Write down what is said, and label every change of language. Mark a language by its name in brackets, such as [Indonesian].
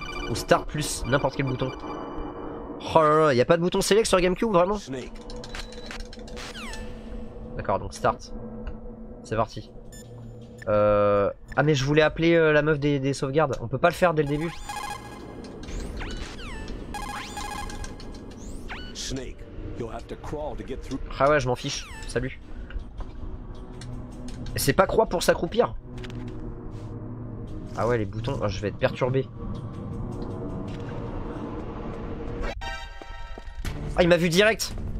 [French] Ou Start plus n'importe quel bouton. Oh là là, y a pas de bouton select sur GameCube vraiment. D'accord, donc Start. C'est parti. Ah mais je voulais appeler la meuf des sauvegardes. On peut pas le faire dès le début. [English] Snake, you'll have to crawl to get through. [French] Ah ouais, je m'en fiche. Salut. Et c'est pas croix pour s'accroupir. Ah ouais, les boutons. Oh, je vais être perturbé. Ah, il m'a vu direct.